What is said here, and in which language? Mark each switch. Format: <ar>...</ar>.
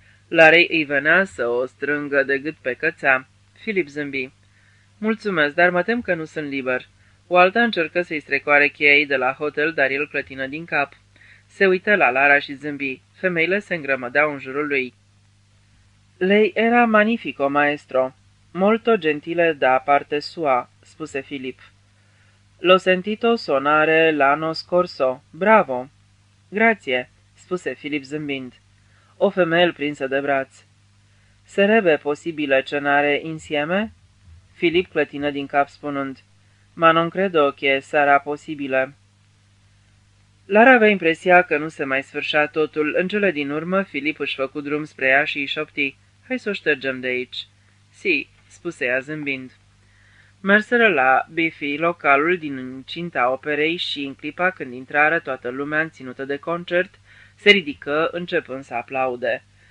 <ro>Larei îi venea să o strângă de gât pe cățea. Filip zâmbi. Mulțumesc, dar mă tem că nu sunt liber. Walter încercă să-i strecoare cheia de la hotel, dar el clătină din cap. Se uită la Lara și zâmbi. Femeile se îngrămădeau în jurul lui.</ro> <it>Lei era magnifico, maestro. Molto gentile da parte sua,</it> <ro>spuse Filip.</ro> <it>L'ho sentito sonare l'anno scorso. Bravo! Grazie,</it> <ro>spuse Filip zâmbind. O femeie prinsă de braț.</ro> <it>Sarebbe posibile cenare insieme?</it> <ro>Filip clătină din cap spunând.</ro> <it>Ma non credo che sarà posibile.</it> <ro>Lara avea impresia că nu se mai sfârșea totul. În cele din urmă, Filip își făcu drum spre ea și îi șopti. Hai să o ștergem de aici.</ro> <it>Si,</it> <ro>spuse ea zâmbind. Merseră la Biffy, localul din incinta operei și în clipa când intrară toată lumea în ținută de concert, se ridică începând să aplaude.</ro>